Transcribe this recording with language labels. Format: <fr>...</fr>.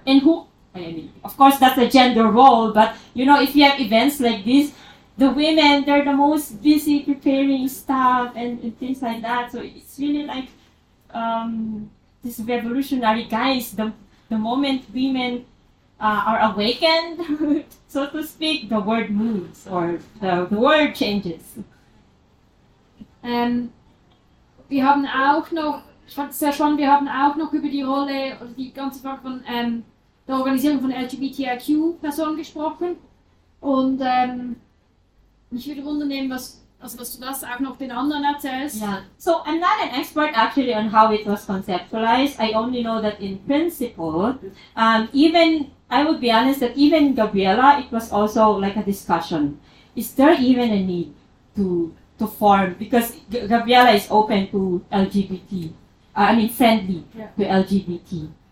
<en>And who, I mean, of course that's a gender role, but you know, if you have events like this, the women, they're the most busy preparing stuff and things like that. So it's really like this revolutionary guys, the moment women are awakened, so to speak, the world moves or the world changes.</en> <de>Wir haben auch noch, ich fand es sehr spannend, wir haben auch noch über die Rolle oder die ganze Frage von der Organisation von LGBTIQ-Personen gesprochen. Und mich würde wundern nehmen, was du das auch noch den anderen erzählst.</de> <en>Yeah. So I'm not an expert actually on how it was conceptualized. I only know that in principle, I would be honest that even Gabriela, it was also like a discussion. Is there even a need to form? Because Gabriela is open to LGBT, friendly to LGBT.</en>